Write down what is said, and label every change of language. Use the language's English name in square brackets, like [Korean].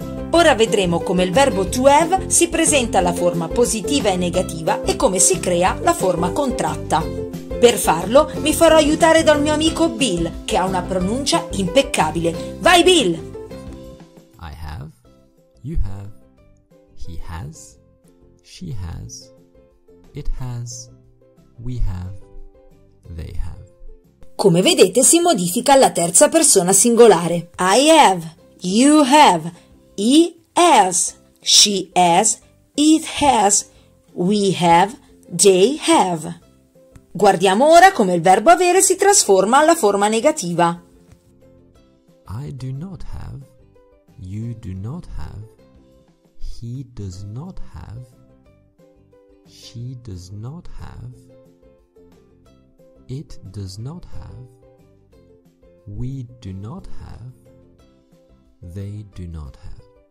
[Italian] Ora vedremo come il verbo to have si presenta alla forma positiva e negativa e come si crea la forma contratta. Per farlo mi farò aiutare dal mio amico Bill, che ha una pronuncia impeccabile. Vai Bill! [English] I have, you have. He has, she has, it has, we have, they have. [Italian] Come vedete si modifica la terza persona singolare. [English] I have, you have, he has, she has, It has, we have, they have. [Italian] Guardiamo ora come il verbo avere si trasforma alla forma negativa. [English] I do not have, you do not have, he does not have, she does not have, it does not have, we do not have, they do not have.